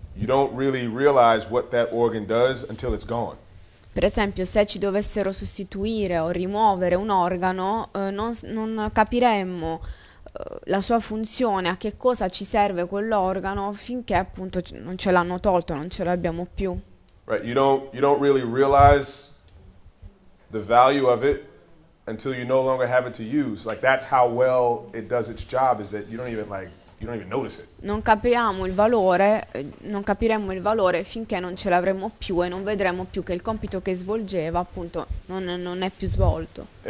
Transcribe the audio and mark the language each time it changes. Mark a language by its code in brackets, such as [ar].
[en] you don't really realize what that organ does until it's gone. [it] Per esempio, se ci dovessero sostituire o rimuovere un organo, non capiremmo la sua funzione, a che cosa ci serve quell'organo, finché appunto non ce l'hanno tolto, non ce l'abbiamo più. [en] Right, you don't really realize the value of it until you no longer have it to use. Like, that's how well it does its job, is that you don't even notice it. [it] Non capiremo il valore finché non ce l'avremo più e non vedremo più che il compito che svolgeva appunto non è più svolto.